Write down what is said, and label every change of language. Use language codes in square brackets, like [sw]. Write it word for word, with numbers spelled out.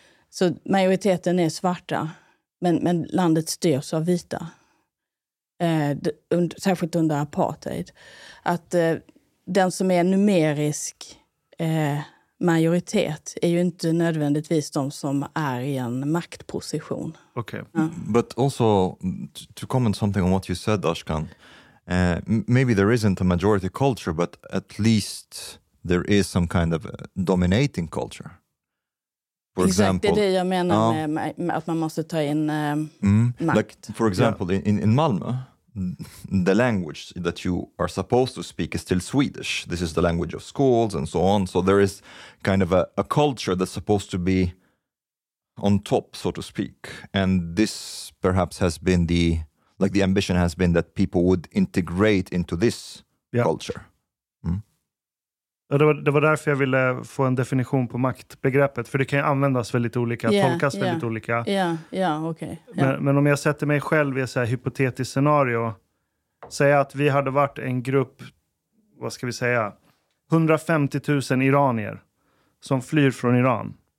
[sv] Så majoriteten är svarta, men, men landet styrs av vita. Eh, d- und, särskilt under apartheid. Att eh, den som är numerisk eh, majoritet är ju inte nödvändigtvis de som är i en maktposition. Okay. Ja. [en] But also, to comment something on what you said, Ashkan, uh, maybe there isn't a majority culture, but at least there is some kind of dominating culture. For example, [sv] exakt, det är det jag menar uh, med, med att man måste ta in uh, mm, makt. [en] Like, for example, yeah. in, in Malmö, the language that you are supposed to speak is still Swedish. This is the language of schools and so on. So there is kind of a, a culture that's supposed to be on top, so to speak. And this perhaps has been the, like the ambition has been that people would integrate into this yeah. culture. Mm. [sv] Det var, det var därför jag ville få en definition på maktbegreppet. För det kan ju användas väldigt olika, yeah, tolkas yeah, väldigt olika. Yeah, yeah, okay, yeah. Men, men om jag sätter mig själv i ett så här hypotetiskt scenario. Säga att vi hade varit en grupp, vad ska vi säga, hundrafemtiotusen iranier som flyr från Iran.